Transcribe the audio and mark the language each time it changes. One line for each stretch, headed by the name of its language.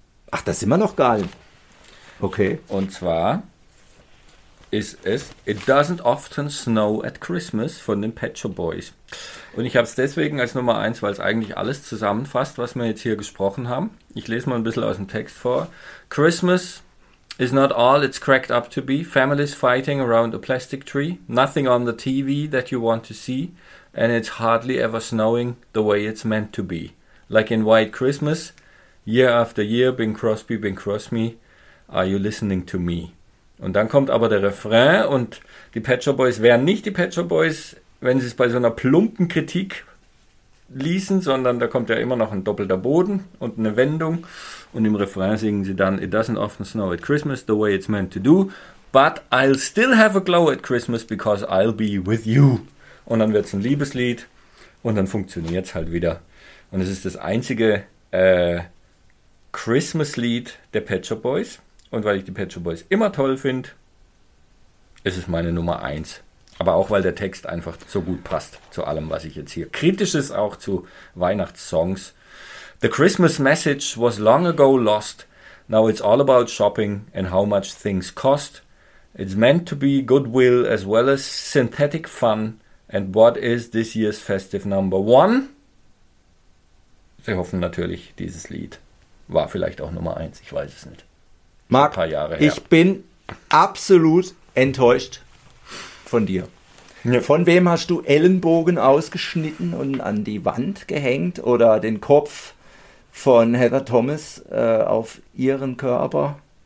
German: Ach, das sind wir noch geil. Okay. Und zwar ist es It Doesn't Often Snow at Christmas von den Pet Shop Boys. Und ich habe es deswegen als Nummer 1, weil es eigentlich alles zusammenfasst, was wir jetzt hier gesprochen haben. Ich lese mal ein bisschen aus dem Text vor.
English: Christmas is not all it's cracked up to be. Families fighting around a plastic tree. Nothing on the TV that you want to see. And it's hardly ever snowing the way it's meant to be. Like in White Christmas. Year after year, Bing Crosby, Bing Crosby, are you listening to me?
German: Und dann kommt aber der Refrain und die Pet Shop Boys wären nicht die Pet Shop Boys, wenn sie es bei so einer plumpen Kritik ließen, sondern da kommt ja immer noch ein doppelter Boden und eine Wendung. Und im Refrain singen sie dann,
English: it doesn't often snow at Christmas the way it's meant to do, but I'll still have a glow at Christmas because I'll be with you.
German: Und dann wird es ein Liebeslied und dann funktioniert es halt wieder. Und es ist das einzige Christmas-Lied der Pet Shop Boys. Und weil ich die Pet Shop Boys immer toll finde, ist es meine Nummer 1. Aber auch, weil der Text einfach so gut passt zu allem, was ich jetzt hier. Kritisch ist auch zu Weihnachtssongs.
English: The Christmas message was long ago lost. Now it's all about shopping and how much things cost. It's meant to be goodwill as well as synthetic fun. And what is this year's festive number one?
German: Sie hoffen natürlich dieses Lied. War vielleicht auch Nummer 1, ich weiß es nicht. Marc, ein paar Jahre her. Ich bin absolut enttäuscht von dir. Ja. Von wem hast du Ellenbogen ausgeschnitten und an die Wand gehängt oder den Kopf von Heather Thomas auf ihren Körper?